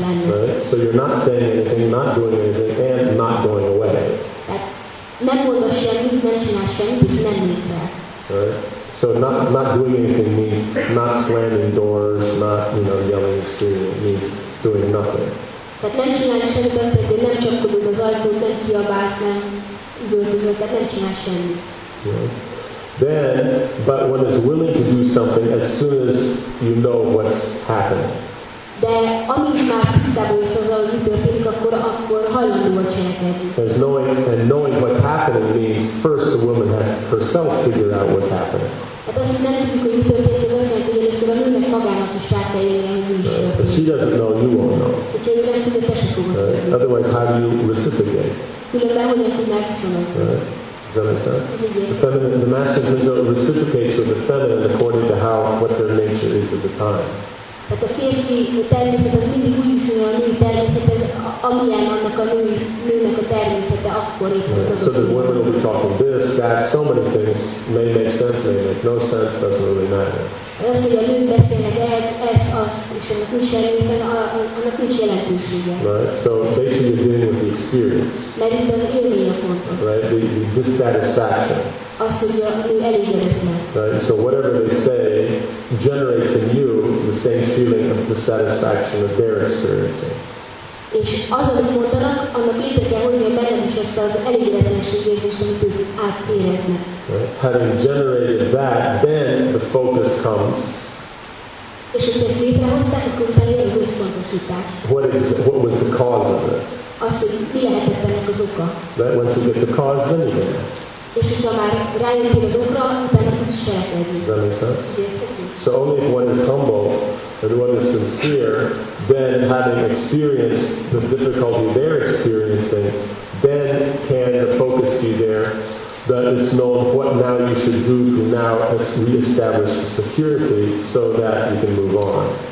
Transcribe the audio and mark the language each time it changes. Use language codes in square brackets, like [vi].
[en] Right? So you're not saying anything, not doing anything, and not going away. [hu] Nem mondasz semmit, nem csinálsz semmit, és nem nézel. Right? [en] So not doing anything means not slamming doors, not, you know, yelling, screaming, it means doing nothing. [hu] Tehát nem csinálsz semmit, azt jelenti, hogy nem csapkodod az ajtót, nem kiabálsz, nem üvöltözöd, tehát nem csinálsz semmit. [en] Then, but one is willing to do something as soon as you know what's happening. [hu] De amíg már tisztában jössz azzal, hogy mi történik, akkor hajlandó a cselekedni. [en] Knowing what's happening means first the woman has herself figured out what's happening. [hu] Hát azt nem tudjuk, hogy mi történik, az azt jelenti, hogy először a nőnek magának is rá kell jönni, hogy mi is történik. [en] But she doesn't know, you won't know. [hu] Hogyha ő nem tudja, te se fogod tudni. [en] Otherwise, how do you reciprocate? [hu] Különben hogyan tudnák viszonyítani? [en] Is that what I'm saying? The master Rizzo reciprocates with the feminine according to how what their nature is at the time. [hu] Tehát a férfi természet az mindig úgy viszonyul a női természethez, amilyen annak a nőnek a természete akkor éppen az adott. [en] So the women will be talking this, that, so many things may make sense, may make no sense, doesn't really matter. [hu] Az, hogy a nők beszélnek lehet, ez, az, és annak nincs jelentősége. Annak nincs jelentősége. [en] Right, so basically you're dealing with the experience. [hu] Mert itt az élmény a fontos. [en] Right, the dissatisfaction. [hu] az, hogy ő elégedetlen. [en] Right, so whatever they say generates in you the same feeling of dissatisfaction that they're experiencing. [hu] És az, amit mondanak, annak létre kell hozni benned is ezt az elégedetlenség érzést, amit ők átéreznek. [en] Right. Having generated that, then the focus comes. [hu] És hogy ezt létrehozták, akkor utána jön az összpontosítás. [en] What was the cause of it? [hu] Az, hogy mi lehetett ennek az oka. [en] Right. Once you get the cause, then you get it. [hu] És hogyha már rájöttél az okra, utána tudsz cselekedni. [en] Does that make sense? So only if one is humble and one is sincere, then having experienced the difficulty they're experiencing, then can the focus be there that it's known what now you should do to now reestablish the security so that you can move on.